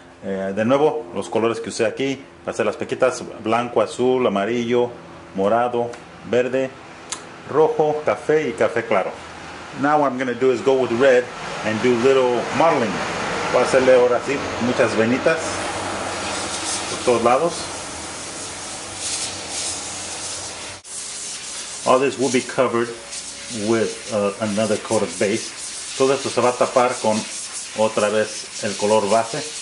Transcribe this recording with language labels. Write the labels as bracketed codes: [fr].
[es] De nuevo, los colores que usé aquí, para hacer las pequitas, blanco, azul, amarillo, morado, verde, rojo, café y café claro. [en] Now what I'm going to do is go with red and do little modeling. [es] Voy a hacerle ahora sí muchas venitas por todos lados. [en] All this will be covered with another coat of base. [es] Todo esto se va a tapar con otra vez el color base.